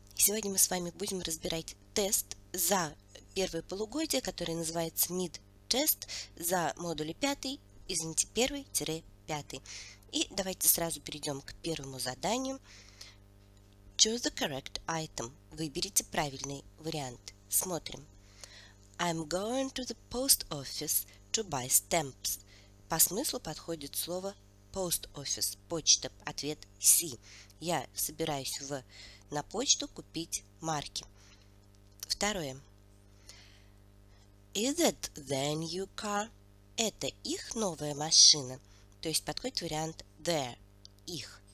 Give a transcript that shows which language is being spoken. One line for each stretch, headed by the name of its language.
Russian: Сегодня мы с вами будем разбирать тест за первое полугодие, который называется Mid-Test, за модули 5, извините, 1-5. И давайте сразу перейдем к первому заданию.
English: Choose the correct item.
Russian: Выберите правильный вариант. Смотрим.
English: I'm going to the post office to buy stamps.
Russian: По смыслу подходит слово post office, почта, ответ C. Я собираюсь на почту купить марки. Второе.
English: Is that their new car?
Russian: Это их новая машина. То есть подходит вариант their, их.